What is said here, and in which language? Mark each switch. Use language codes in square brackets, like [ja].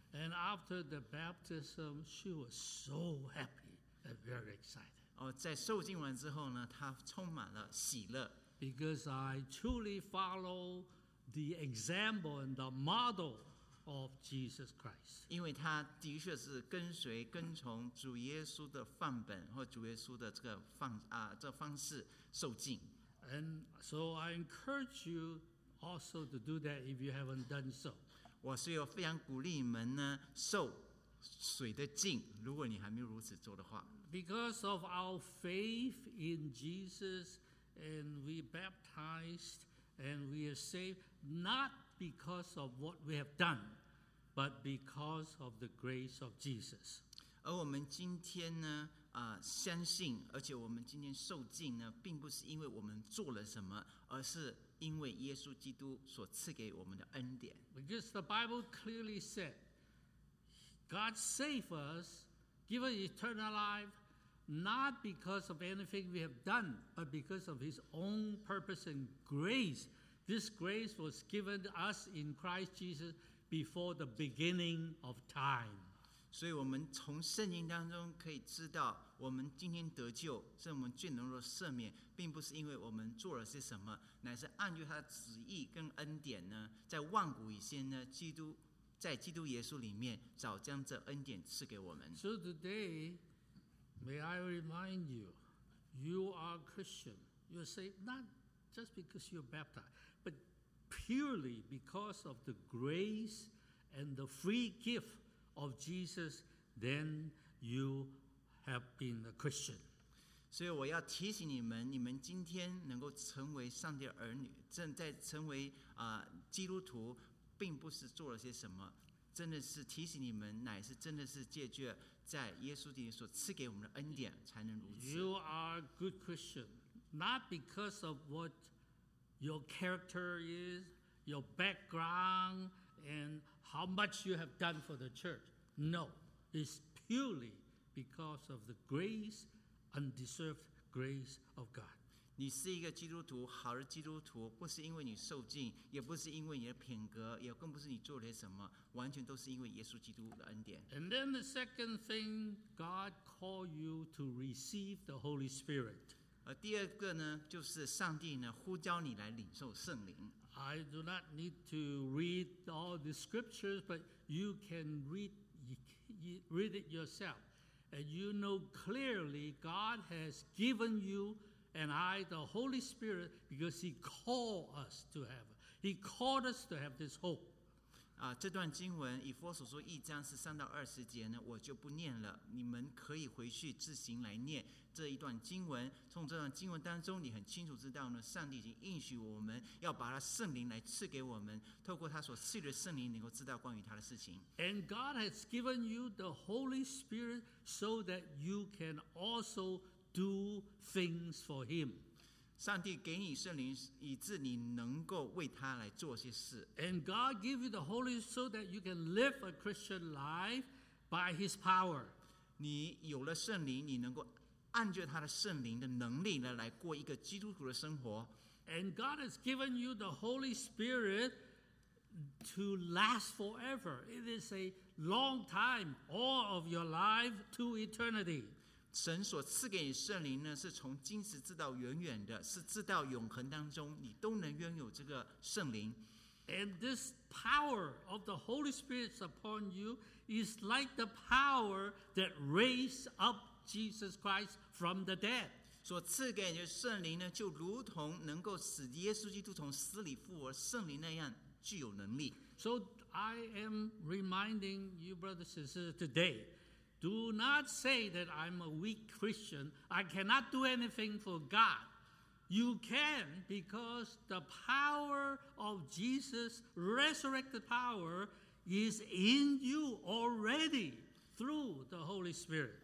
[en] And after the baptism, she was so happy and very excited. [zh] 在受浸完之后呢，他充满了喜乐。 [en] Because I truly follow the example and the model of Jesus Christ. [zh] 因为他的确是跟随跟从主耶稣的范本或主耶稣的这个方式受浸。 [en] And so I encourage you also to do that if you haven't done so. [zh] 我是有非常鼓励你们呢受水的浸，如果你还没有如此做的话。 [en] Because of our faith in Jesus, and we baptized, and we are saved, not because of what we have done, but because of the grace of Jesus. [zh] 而我们今天呢，相信，而且我们今天受浸呢，并不是因为我们做了什么，而是因为耶稣基督所赐给我们的恩典。 [en] Because the Bible clearly said, God saved us. Given eternal life, not because of anything we have done, but because of His own purpose and grace. This grace was given to us in Christ Jesus before the beginning of time. [zh] 所以我们从圣经当中可以知道，我们今天得救，是我们罪能够赦免，并不是因为我们做了些什么，乃是按据他的旨意跟恩典呢，在万古以先呢，基督。在基督耶稣里面早将这恩典赐给我们。 [en] So today, may I remind you, you are Christian. You're saved not just because you're baptized, but purely because of the grace and the free gift of Jesus, then you have been a Christian. [zh] 所以我要提醒你们，你们今天能够成为上帝的儿女，正在成为基督徒，并不是做了些什么，真的是提醒你们，乃是真的是借着在耶稣基督所赐给我们的恩典才能如此。 [en] You are a good Christian, not because of what your character is, your background, and how much you have done for the church. No, it's purely because of the grace, undeserved grace of God. [zh] 你是一个基督徒，好的基督徒，不是因为你受浸，也不是因为你的品格，也更不是你做了什么，完全都是因为耶稣基督的恩典。 [en] And then the second thing, God call you to receive the Holy Spirit. [zh] 第二个呢，就是上帝呢呼召你来领受圣灵。 [en] I do not need to read all the scriptures, but you can read it yourself. And you know clearly God has given you and I the Holy Spirit because he called us to have. He called us to have this hope. [zh] 这段经文以弗所书一章十三到二十节呢，我就不念了，你们可以回去自行来念这一段经文。从这段经文当中，你很清楚知道呢，上帝已经应许我们要把他圣灵来赐给我们，透过他所赐的圣灵，能够知道关于他的事情。 [en] And God has given you the Holy Spirit so that you can also do things for Him. [zh] 上帝给你圣灵，以致你能够为他来做些事。 [en] And God give you the Holy Spirit so that you can live a Christian life by His power. [zh] 你有了圣灵，你能够按着他的圣灵的能力呢，来过一个基督徒的生活。 [en] And God has given you the Holy Spirit to last forever. It is a long time, all of your life to eternity. [zh] 神所赐给你圣灵呢，是从今时直到远远的，是直到永恒当中，你都能拥有这个圣灵。 [en] And this power of the Holy Spirit upon you is like the power that raised up Jesus Christ from the dead. [zh] 所赐给你的圣灵呢，就如同能够使耶稣基督从死里复活，圣灵那样具有能力。 [en] So I am reminding you, brothers and sisters, today. Do not say that I'm a weak Christian. I cannot do anything for God. You can because the power of Jesus, resurrected power, is in you already through the Holy Spirit.